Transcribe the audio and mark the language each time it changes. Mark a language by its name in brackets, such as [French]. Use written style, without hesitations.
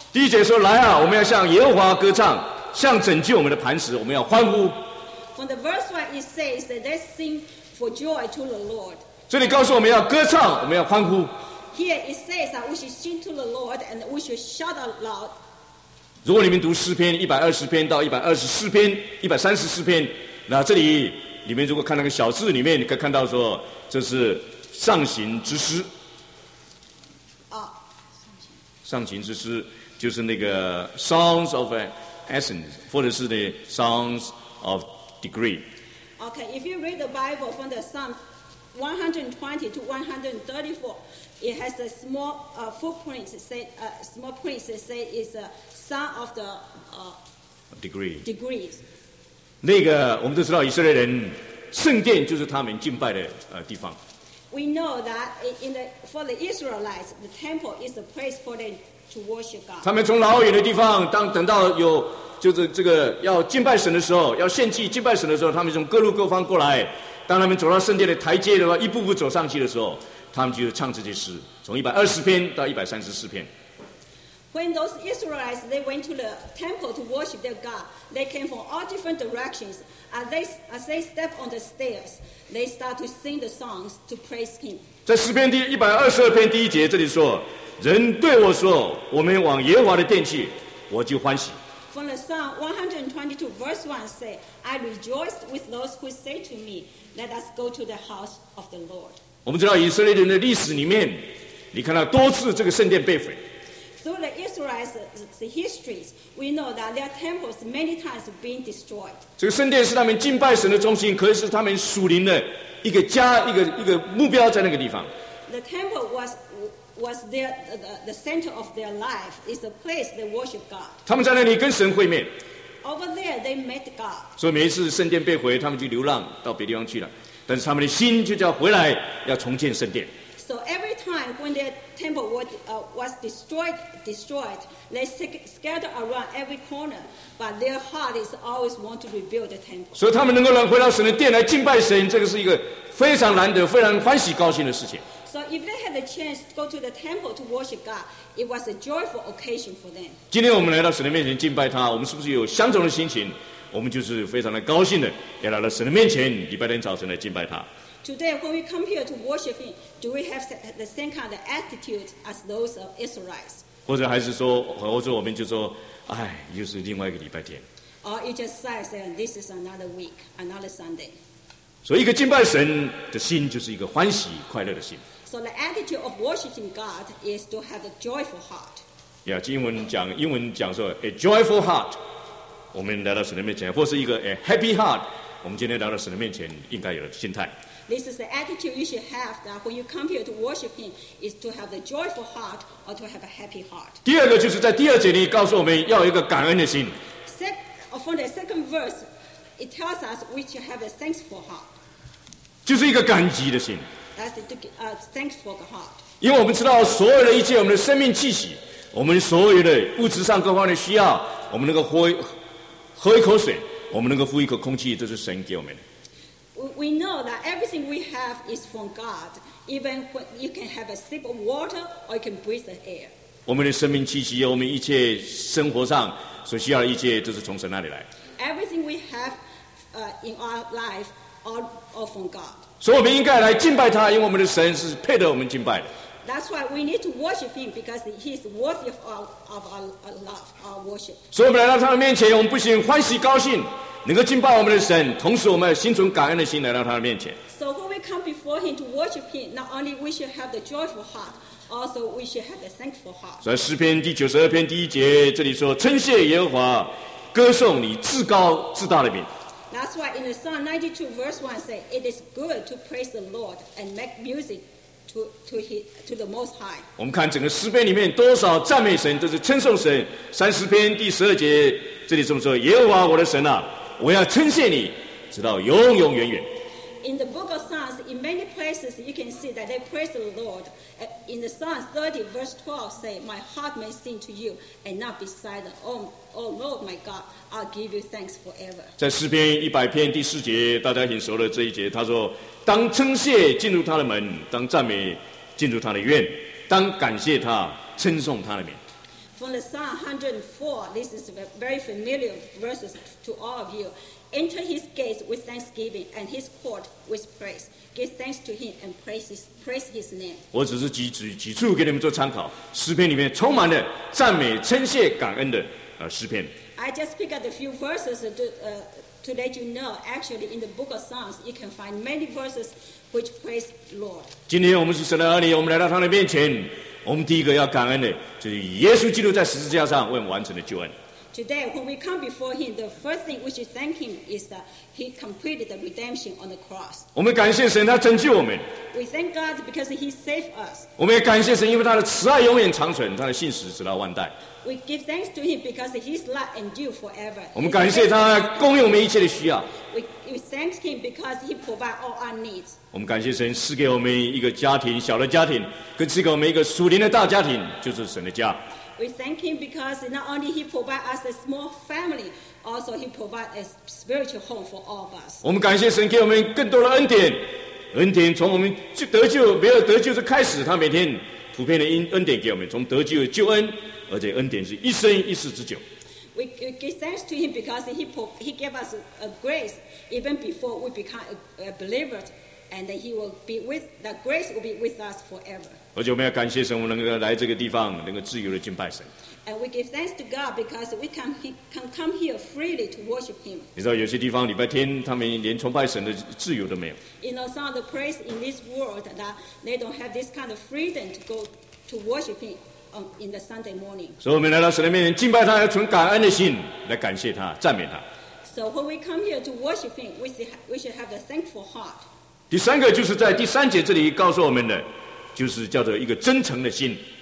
[Chinese] 第一节说来啊，我们要向耶和华歌唱，向拯救我们的磐石，我们要欢呼。 [English] From the verse one, it says that let's sing for joy to the Lord. [Chinese] 这里告诉我们要歌唱，我们要欢呼。 [English] Here it says that we should sing to the Lord and we should shout out loud. [Chinese] 如果你们读诗篇一百二十篇到一百二十四篇、一百三十四篇，那这里你们如果看那个小字里面，你可以看到说这是上行之诗。啊，上行之诗就是那个 [English] Songs of Ascent， [Chinese] 或者是 [English] the Songs of Degree。 Okay, if you read the Bible from the Psalm 120 to 134, it has a small footprint. Say a small print. Say is a Psalm of the degrees. [Chinese] 那个我们都知道，以色列人圣殿就是他们敬拜的地方。 [English] We know that in the for the Israelites, the temple is a place for them to worship God. [Chinese] 他们从老远的地方，当等到有就是这个要敬拜神的时候，要献祭敬拜神的时候，他们从各路各方过来。当他们走到圣殿的台阶的话，一步步走上去的时候，他们就唱这些诗，从一百二十篇到一百三十四篇。 [English] When those Israelites they went to the temple to worship their God, they came from all different directions. As they step on the stairs, they start to sing the songs to praise Him. [Chinese] 在诗篇第一百二十二篇第一节这里说，人对我说，我们往耶和华的殿去，我就欢喜。 [English] From the Psalm 122 verse 1 say, I rejoice with those who say to me, let us go to the house of the Lord. [Chinese] 我们知道以色列人的历史里面，你看到多次这个圣殿被毁。 [English] Through the Israelites' histories, we know that their temples many times have been destroyed. [Chinese] 这个圣殿是他们敬拜神的中心，可是他们属灵的一个家，一个目标在那个地方。 [English] The temple was their the center of their life. It's the place they worship God. [Chinese] 他们在那里跟神会面。 [English] Over there, they met God. [Chinese] 所以每一次圣殿被毁，他们就流浪到别地方去了，但是他们的心就叫回来，要重建圣殿。 [English] So every time when their temple was destroyed, they scatter around every corner, but their heart is always want to rebuild the temple. [Chinese] 所以他们能够回到神的殿来敬拜神，这个是一个非常难得、非常欢喜、高兴的事情。 [English] So if they had a chance to go to the temple to worship God, it was a joyful occasion for them. [Chinese] 今天我们来到神的面前敬拜他，我们是不是有相同的心情？我们就是非常的高兴的，也来到神的面前，礼拜天早晨来敬拜他。 [English] Today, when we come here to worship Him, do we have the same kind of attitude as those of Israelites? [Chinese] 或者还是说，或者我们就说，哎，又是另外一个礼拜天。 [English] Or you just say that this is another week, another Sunday. [Chinese] 所以，一个敬拜神的心就是一个欢喜快乐的心。 [English] So the attitude of worshiping God is to have a joyful heart. Yeah, [Chinese] 英文讲说 [English] a joyful heart. [Chinese] 我们来到神的面前，或是一个 [English] a happy heart. [Chinese] 我们今天来到神的面前，应该有的心态。 [English] This is the attitude you should have that when you come here to worship Him is to have a joyful heart or to have a happy heart. [Chinese] 第二个就是在第二节里告诉我们要有一个感恩的心。 [English] From the second verse, it tells us we should have a thankful heart. [Chinese] 就是一个感激的心。 [English] That's a thankful heart. [Chinese] 因为我们知道所有的一切，我们的生命气息，我们所有的物质上各方的需要，我们能够喝一口水，我们能够呼一口空气，都是神给我们的。 [English] We know that everything we have is from God. Even when you can have a sip of water or you can breathe the air. [Chinese] 我们的生命气息，我们一切生活上所需要的一切，都是从神那里来。 [English] Everything we have, in our life, all from God. [Chinese] 所以我们应该来敬拜他，因为我们的神是配得我们敬拜的。 [English] That's why we need to worship Him because He is worthy of our love, our worship. [Chinese] 所以我们来到他的面前，我们不仅欢喜高兴。能够敬拜我们的神，同时我们要心存感恩的心来到他的面前。 [English] So when we come before Him to worship Him, not only we should have the joyful heart, also we should have the thankful heart. [Chinese] 在诗篇第九十二篇第一节这里说：“称谢耶和华，歌颂你至高至大的名。” [English] That's why in the Psalm 92 verse 1 say, "It is good to praise the Lord and make music to the Most High." [Chinese] 我们看整个诗篇里面多少赞美神，都是称颂神。三十篇第十二节这里这么说：“耶和华我的神啊。” 我要称谢你，直到永永远远。 [English] In the book of Psalms, in many places you can see that they praise the Lord. In the Psalms 30 verse 12 say, "My heart may sing to you and not be silent. Oh Lord, my God, I'll give you thanks forever." [Chinese] 在诗篇一百篇第四节，大家很熟的这一节，他说：“当称谢进入他的门，当赞美进入他的院，当感谢他，称颂他的名。” [English] From the Psalm 104, this is very familiar verses to all of you. enter his gates with thanksgiving and his court with praise. Give thanks to him and praise his name. [Chinese] 我只是举出给你们做参考，诗篇里面充满了赞美、称谢、感恩的诗篇。 [English] I just pick up a few verses to let you know. Actually, in the book of Psalms, you can find many verses which praise the Lord. [Chinese] 今天我们是神的儿女，我们来到他的面前。我们第一个要感恩的，就是耶稣基督在十字架上为我们完成的救恩。 [English] Today, when we come before Him, the first thing we should thank Him is that He completed the redemption on the cross. [Chinese] 我们感谢神，他拯救我们。 [English] We thank God because He saved us. [Chinese] 我们也感谢神，因为他的慈爱永远长存，他的信实直到万代。 [English] We give thanks to Him because His love endures forever. [Chinese] 我们感谢他供应我们一切的需要。 [English] We thank Him because He provides all our needs. [Chinese] 我们感谢神赐给我们一个家庭，小的家庭，更赐给我们一个属灵的大家庭，就是神的家。 [English] We thank Him because not only He provides us a small family, also He provides a spiritual home for all of us. [Chinese] 我们感谢神给我们更多的恩典，恩典从我们得救没有得救的开始，他每天普遍的恩典给我们，从得救救恩，而且恩典是一生一世之久。 [English] We give thanks to Him because He gave us a grace even before we become a believer, and that He will be with that grace will be with us forever. [Chinese] 而且我们要感谢神，我们能够来这个地方，能够自由的敬拜神。 [English] And we give thanks to God because we can come here freely to worship Him. [Chinese] 你知道有些地方礼拜天他们连崇拜神的自由都没有。 [English] You know some of the places in this world that they don't have this kind of freedom to go to worship Him in the Sunday morning. [Chinese] 所以我们来到神的面前敬拜他，要存感恩的心来感谢他、赞美他。 [English] So when we come here to worship Him, we should have a thankful heart. [Chinese] 第三个就是在第三节这里告诉我们的。就是叫做一个真诚的心。